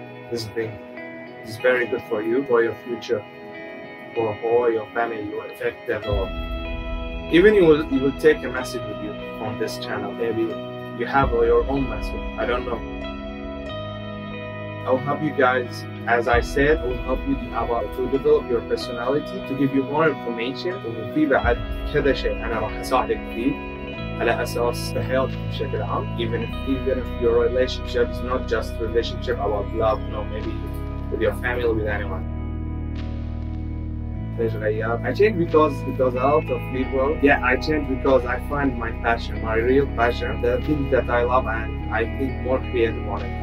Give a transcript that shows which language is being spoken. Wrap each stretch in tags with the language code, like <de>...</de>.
<en>This thing is very good for you, for your future, for all your family, you will affect them all. Even you will take a message with you from this channel. Maybe you have your own message. I don't know. I will help you guys, as I said, I will help you to develop your personality, to give you more information. I will be</en> <ar>بعد كذا شيء أنا راح أساعدك فيه على أساس بحياتك بشكل عام.</ar> <en>Even if your relationship is not just relationship about love, no, maybe with your family, with anyone. I change because a lot of people. Yeah, I change because I find my passion, my real passion, the things that I love, and I think more creative on it.</en>